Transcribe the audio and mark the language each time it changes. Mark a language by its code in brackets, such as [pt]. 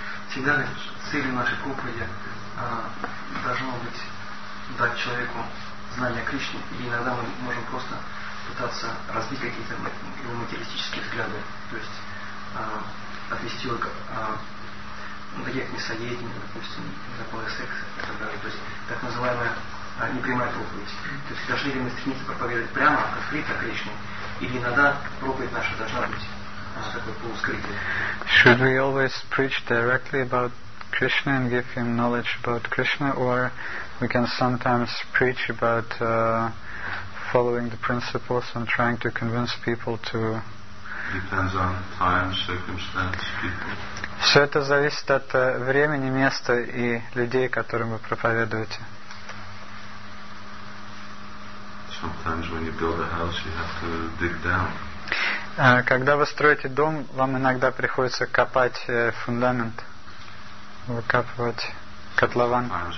[ru] Всегда ли целью нашей проповеди должно быть дать человеку знания Кришны, или иногда мы можем просто пытаться разбить какие-то его материалистические взгляды, то есть отвести его такие к мясоедению, допустим, законы секса и так далее, то есть так называемая непрямая проповедь. То есть должны ли мы стремиться проповедовать прямо от Кришны к Кришне, или иногда проповедь наша должна быть такой полускрытой? [en] Should we always preach directly about Krishna and give him knowledge about Krishna, or we can sometimes preach about following the principles and trying to convince people to... Depends on time, circumstance, people. [ru] Все это зависит от времени, места и людей, которым вы проповедуете. [en] Sometimes when you build a house, you have to dig down. [ru] Когда вы строите дом, вам иногда приходится копать фундамент. Выкапывать котлован.